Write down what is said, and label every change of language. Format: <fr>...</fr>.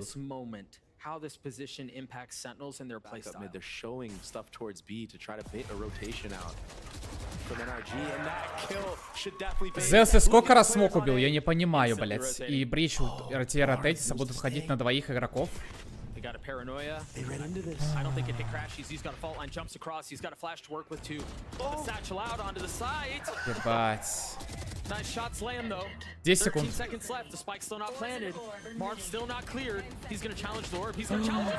<en>This moment, how this position impacts Sentinels in their playstyle. They're showing stuff towards B to try to bait a rotation out. From NRG, and that kill should definitely be.</en> <ru>Зевс, сколько раз смок убил? Я не понимаю, блять. И брич ротироватьется, будут входить на двоих игроков.</ru> <en>They got a paranoia. They ran into this. I don't think it hit Crashies. He's got a fault line, jumps across. He's got a flash to work with too. Oh. The satchel out onto the side. Goodbye. Nice shots land though. 10 seconds left. The spike still not planted. Mark still not cleared. He's gonna challenge the orb. He's gonna challenge</en>